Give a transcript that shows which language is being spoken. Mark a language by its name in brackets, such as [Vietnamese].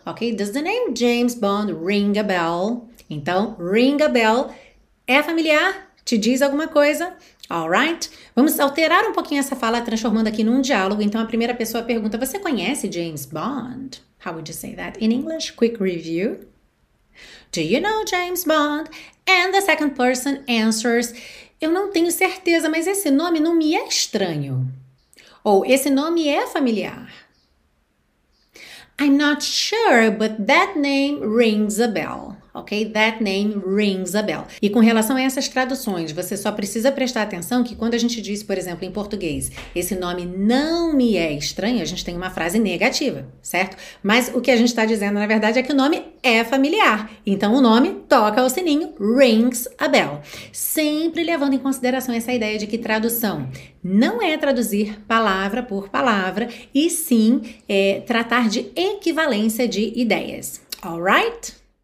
[English] Ok, does the name James Bond ring a bell? [Portuguese] Então, [English] ring a bell [Portuguese] é familiar? Te diz alguma coisa? [English] Alright? [Portuguese] Vamos alterar um pouquinho essa fala, transformando aqui num diálogo. Então, a primeira pessoa pergunta, você conhece James Bond? [English] How would you say that in English? Quick review. Do you know James Bond? And the second person answers, [Portuguese] eu não tenho certeza, mas esse nome não me é estranho. Ou, esse nome é familiar. [English] I'm not sure, but that name rings a bell. Ok? That name rings a bell. [Portuguese] E com relação a essas traduções, você só precisa prestar atenção que quando a gente diz, por exemplo, em português, esse nome não me é estranho, a gente tem uma frase negativa, certo? Mas o que a gente está dizendo, na verdade, é que o nome é familiar. Então, o nome toca o sininho, [English] rings a bell. [Portuguese] Sempre levando em consideração essa ideia de que tradução não é traduzir palavra por palavra, e sim tratar de equivalência de ideias. [English] All right?